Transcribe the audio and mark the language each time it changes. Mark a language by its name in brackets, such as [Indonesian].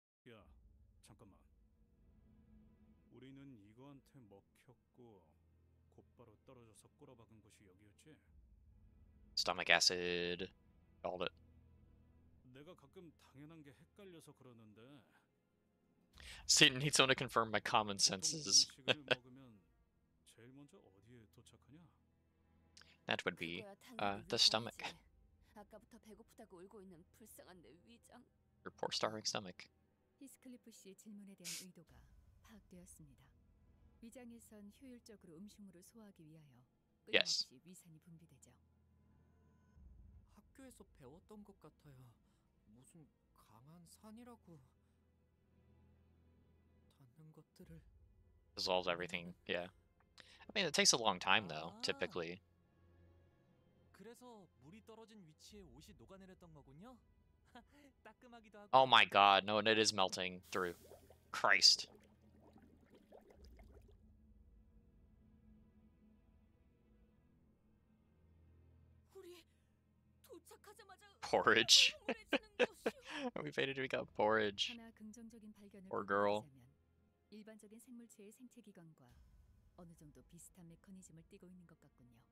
[Korean] 야, 잠깐만. 우리는 이거한테 먹혔고 곧바로 떨어져서 꼬라박은 곳이 여기였지? [English] Stomach acid. Called it. [Korean] 내가 가끔 당연한 게 헷갈려서 그러는데. [English] Satan needs someone to confirm my common senses. [Korean] 먹으면 제일 먼저 어디에 도착하냐? [English] That would be the stomach. [Korean] 아까부터 배고프다고 울고 있는 불쌍한 내 위장. [English] Your poor starving stomach. [Korean] 히스클리프 씨의 질문에 대한 의도가 파악되었습니다. 위장에선 효율적으로 음식물을 소화하기 위하여 끊임없이 위산이 분비되죠. 학교에서 배웠던 것 같아요. 무슨 강한 산이라고. 닿는 것들을. [English] Dissolves everything. Yeah. I mean, it takes a long time though, typically. [Korean] 그래서 물이 떨어진 위치에 옷이 녹아내렸던 거군요. [English] Oh my god, no, and it is melting through. Christ. Porridge. We fated to become porridge. Poor girl. [Korean] 일반적인 생물체의 생체 기관과 어느 정도 비슷한 메커니즘을 띠고 있는 것 같군요.